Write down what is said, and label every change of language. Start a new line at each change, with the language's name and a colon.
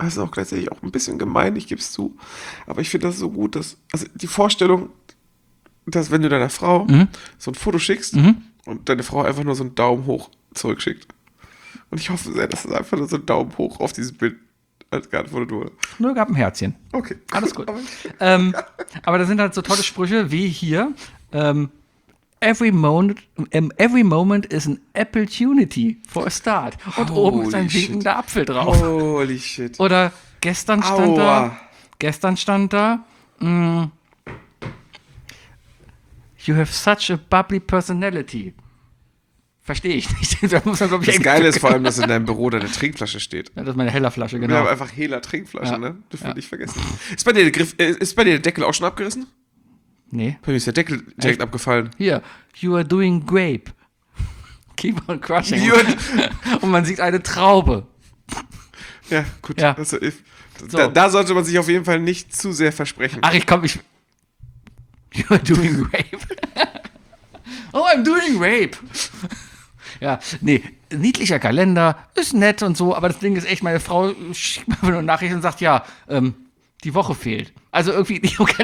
German: Also auch gleichzeitig auch ein bisschen gemein, ich gebe es zu. Aber ich finde das so gut, dass, also die Vorstellung, dass wenn du deiner Frau so ein Foto schickst und deine Frau einfach nur so einen Daumen hoch zurückschickt. Und ich hoffe sehr, dass es einfach nur so einen Daumen hoch auf dieses Bild als geantwortet wurde. Nur gab ein Herzchen. Okay. Alles gut. aber da sind halt so tolle Sprüche wie hier.
English: Every moment is an opportunity for a start.
German: Und
English: holy
German: oben ist ein winkender Apfel drauf.
English: Holy shit.
German: Oder gestern stand Aua. Da, gestern stand da,
English: you have such a bubbly personality.
German: Verstehe ich nicht. Da muss man, glaub ich, das Geile ist vor allem, dass in deinem Büro deine Trinkflasche steht. Ja, das ist meine heller Flasche, genau. Wir haben einfach heller Trinkflasche, ja. ne? Das will ich vergessen. Ist bei dir der Deckel auch schon abgerissen? Nee. Bei mir ist der Deckel direkt abgefallen.
English: Hier, you are doing grape. Keep on crushing.
German: Und man sieht eine Traube. Ja, gut. Ja. Also, da sollte man sich auf jeden Fall nicht zu sehr versprechen.
English: Ach, you are doing grape. Oh, I'm doing grape.
German: Ja, nee, niedlicher Kalender, ist nett und so, aber das Ding ist echt, meine Frau schickt mir eine Nachricht und sagt, ja, die Woche fehlt. Also irgendwie, nicht okay,